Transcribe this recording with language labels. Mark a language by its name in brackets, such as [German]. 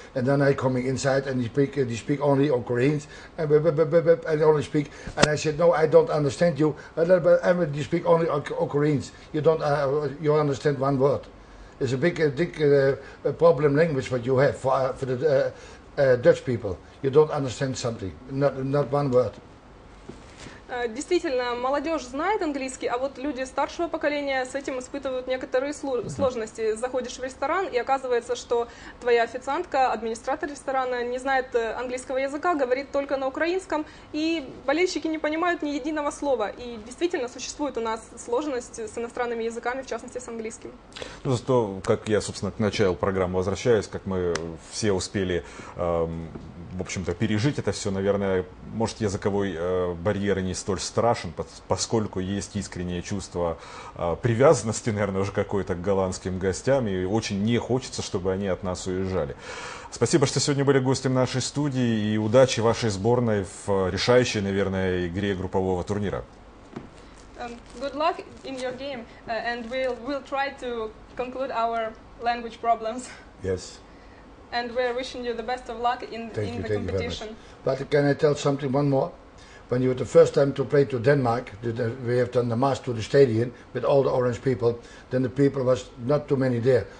[English] And then I coming inside and they speak only Ukrainians, and I only speak, and I said, no, I don't understand you, but you speak only Ukrainians. You don't you understand one word. It's a big problem language what you have for the Dutch people. You don't understand something, not one word. [Russian] Действительно, молодежь знает английский, а вот люди старшего поколения с этим испытывают некоторые сложности. Заходишь в ресторан, и оказывается, что твоя официантка, администратор ресторана, не знает английского языка, говорит только на украинском, и болельщики не понимают ни единого слова. И действительно, существует у нас сложность с иностранными языками, в частности, с английским. Ну, зато, как я, собственно, к началу программы возвращаюсь, как мы все успели, в общем-то, пережить это все, наверное, может, языковой барьер не столь страшен, поскольку есть искреннее чувство привязанности, наверное, уже какой-то к голландским гостям, и очень не хочется, чтобы они от нас уезжали. Спасибо, что сегодня были гостем нашей студии, и удачи вашей сборной в решающей, наверное, игре группового турнира. [English] Good luck in your game, and we'll try to conclude our language problems. Yes. And we're wishing you the best of luck in the competition. But can I tell something, one more? When you were the first time to play to Denmark, we have done the march to the stadium with all the orange people, then the people was not too many there.